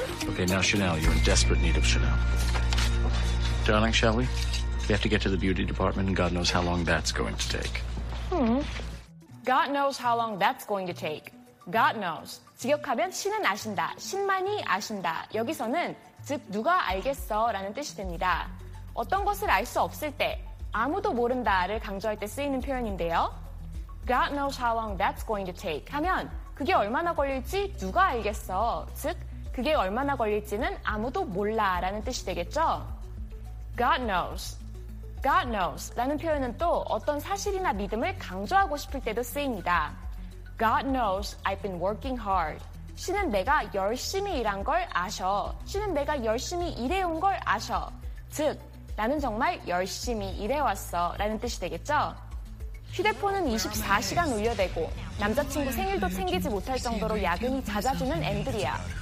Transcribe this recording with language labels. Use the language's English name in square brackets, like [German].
[English] Okay, now Chanel, you're in desperate need of Chanel. Darling, shall we? We have to get to the beauty department and God knows how long that's going to take. God knows how long that's going to take. God knows. [Korean] 직역하면 신은 아신다, 신만이 아신다. 여기서는 즉 누가 알겠어 라는 뜻이 됩니다. 어떤 것을 알 수 없을 때, 아무도 모른다를 강조할 때 쓰이는 표현인데요. [English] God knows how long that's going to take [Korean] 하면 그게 얼마나 걸릴지 누가 알겠어. 즉 그게 얼마나 걸릴지는 아무도 몰라 라는 뜻이 되겠죠. [English] God knows. God knows [Korean] 라는 표현은 또 어떤 사실이나 믿음을 강조하고 싶을 때도 쓰입니다. [English] God knows I've been working hard. [Korean] 신은 내가 열심히 일한 걸 아셔. 신은 내가 열심히 일해온 걸 아셔. 즉, 나는 정말 열심히 일해왔어 라는 뜻이 되겠죠? 휴대폰은 24시간 울려대고 남자친구 생일도 챙기지 못할 정도로 야근이 잦아지는 앤드리아.